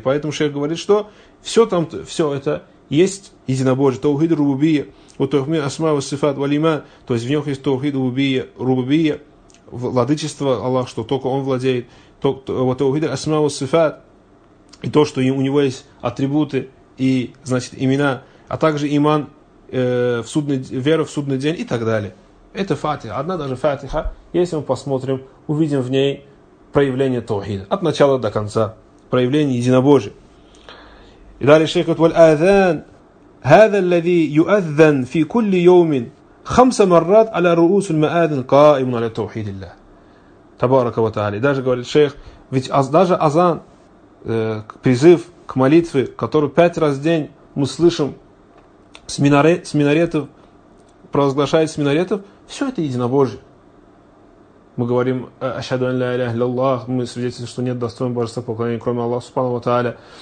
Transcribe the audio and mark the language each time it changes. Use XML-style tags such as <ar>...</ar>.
<ru>Поэтому шейх говорит, что все там, все это есть единобожие, таухид рубубия, вот таухид асма ва сифат ва лиман, то есть в нем есть таухид рубубия, владычество Аллах, что только Он владеет, вот таухид асма ва сифат, и то, что у него есть атрибуты и, значит, имена, а также иман, вера в судный день и так далее. Это фатиха, одна даже фатиха, если мы посмотрим, увидим в ней проявление таухида, от начала до конца, проявление единобожия. И далее шейх говорит,</ru> <ar>«Вал-азан, هذا الذي يؤذن في كل يوم خمس مرات على رؤوس المآذن قائم على توحيد الله». Табарака ва тааля.</ar> <ru>И даже говорит шейх, ведь даже азан, призыв к молитве, который 5 раз в день мы слышим с минаретов, провозглашает с минаретов, все это единобожие. Мы говорим,</ru> <ar>«Ашхаду ан ля илаха илляллах»,</ar> <ru>мы свидетельствуем, что нет достойного божества поклонения, кроме Аллаха субхана ва тааля.</ru>